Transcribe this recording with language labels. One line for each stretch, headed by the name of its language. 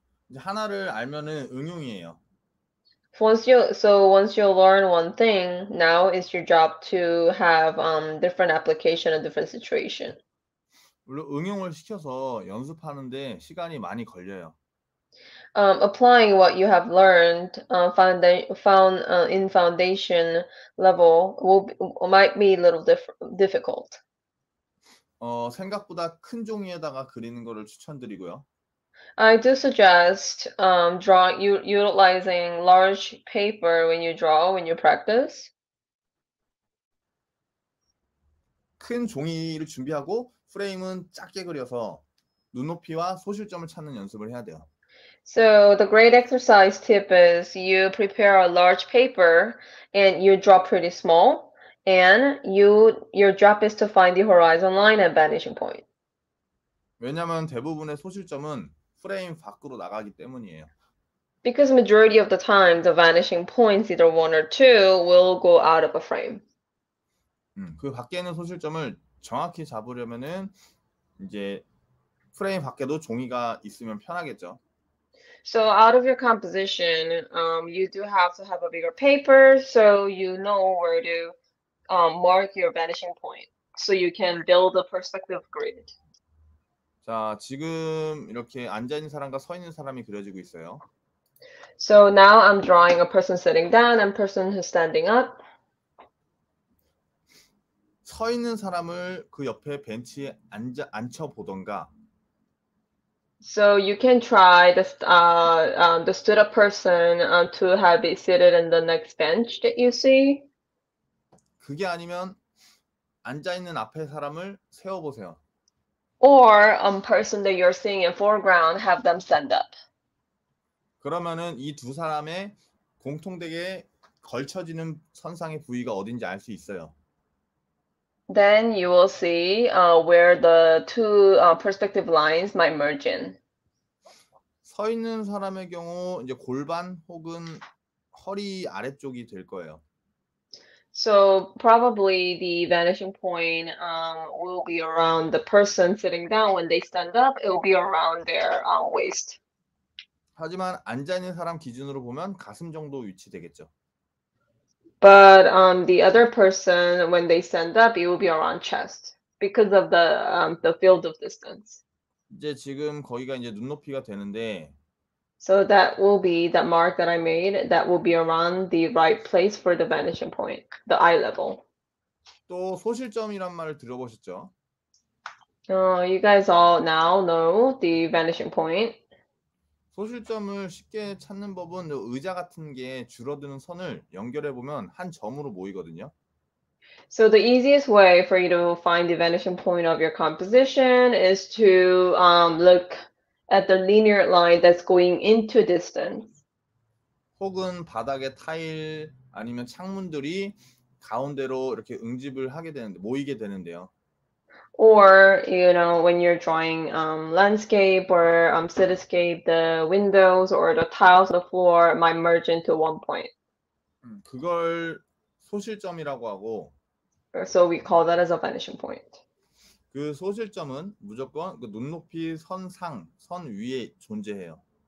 Korean: 이제 하나를 알면은 응용이에요.
English: Once you learn one thing, now it's your job to have different application and different situation.
Korean: 물론 응용을 시켜서 연습하는데 시간이 많이 걸려요.
English: Applying what you have learned in foundation level might be a little difficult.
Korean: 생각보다 큰 종이에다가 그리는 거를 추천드리고요.
English: I do suggest utilizing large paper when you draw, when you practice.
Korean: 큰 종이를 준비하고 프레임은 작게 그려서 눈높이와 소실점을 찾는 연습을 해야 돼요.
English: So the great exercise tip is you prepare a large paper and you draw pretty small and your job is to find the horizon line and vanishing point.
Korean: 왜냐면 대부분의 소실점은 프레임 밖으로 나가기 때문이에요.
English: Because majority of the time the vanishing points either one or two will go out of a frame.
Korean: 그 밖에 있는 소실점을 정확히 잡으려면은 이제 프레임 밖에도 종이가 있으면 편하겠죠.
English: So out of your composition, you do have to have a bigger paper so you know where to mark your vanishing point so you can build a perspective grid.
Korean: 자, 지금 이렇게 앉아 있는 사람과 서 있는 사람이 그려지고 있어요.
English: So now I'm drawing a person sitting down and person who's standing up.
Korean: 서 있는 사람을 그 옆에 벤치에 앉혀 보던가.
English: So you can try the stood up person to have it seated in the next bench that you see.
Korean: 그게 아니면 앉아 있는 앞에 사람을 세워 보세요.
English: Or a person that you're seeing in foreground, have them stand up.
Korean: 그러면은 이 두 사람의 공통되게 걸쳐지는 선상의 부위가 어딘지 알 수 있어요.
English: Then you will see where the two perspective lines might merge in.
Korean: 서 있는 사람의 경우 이제 골반 혹은 허리 아래쪽이 될 거예요.
English: So probably the vanishing point will be around the person sitting down. When they stand up, it will be around their waist.
Korean: 하지만 앉아 있는 사람 기준으로 보면 가슴 정도 위치되겠죠.
English: But the other person, when they stand up, it will be around chest because of the field of distance.
Korean: 이제 지금 거기가 이제 눈높이가 되는데.
English: So that will be that mark that I made. That will be around the right place for the vanishing point, the eye level.
Korean: 또 소실점이란 말을 들어보셨죠?
English: You guys all now know the vanishing point.
Korean: 소실점을 쉽게 찾는 법은 의자 같은 게 줄어드는 선을 연결해 보면 한 점으로 모이거든요.
English: So the easiest way for you to find the vanishing point of your composition is to look at the linear line that's going into distance.
Korean: 혹은 바닥에 타일 아니면 창문들이 가운데로 이렇게 응집을 하게 되는데 모이게 되는데요.
English: Or, you know, when you're drawing landscape or cityscape, the windows or the tiles of the floor might merge into one point.
Korean: 그걸 소실점이라고 하고.
English: So we call that as a vanishing point.
Korean: 그 소실점은 무조건 그 눈높이 선 상, 선 위에 존재해요.